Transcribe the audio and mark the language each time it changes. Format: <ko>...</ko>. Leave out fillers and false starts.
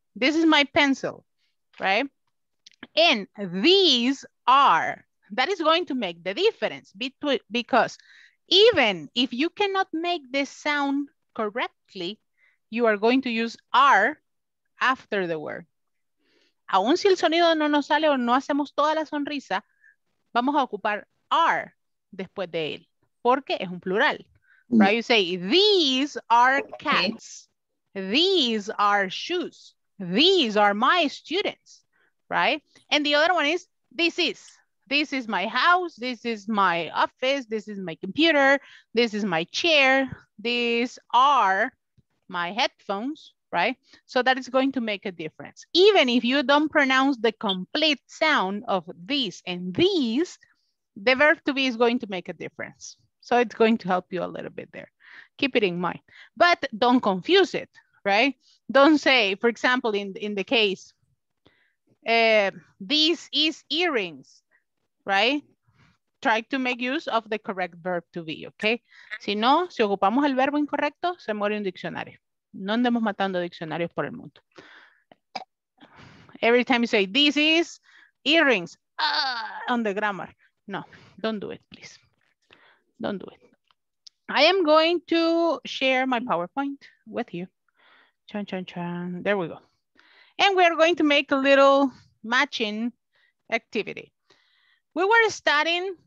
<en>This is my pencil, right? And these are, that is going to make the difference between, because even if you cannot make this sound correctly, you are going to use R after the word.</en> <es>Aún si el sonido no nos sale o no hacemos toda la sonrisa, vamos a ocupar R después de él, porque es un plural.</es> <en>Right? You say, these are cats. These are shoes. These are my students, right? And the other one is, this is. This is my house, this is my office, this is my computer, this is my chair, these are my headphones, right? So that is going to make a difference. Even if you don't pronounce the complete sound of this and these, the verb to be is going to make a difference. So it's going to help you a little bit there. Keep it in mind, but don't confuse it, right? Don't say, for example, in the case, this is earrings. Right? Try to make use of the correct verb to be, okay?</en> <es>Si no, si ocupamos el verbo incorrecto, se muere un diccionario. No andemos matando diccionarios por el mundo.</es> <en>Every time you say, this is earrings, on the grammar. No, don't do it, please. Don't do it. I am going to share my PowerPoint with you. Chan, chan, chan. There we go. And we are going to make a little matching activity. We were studying</en>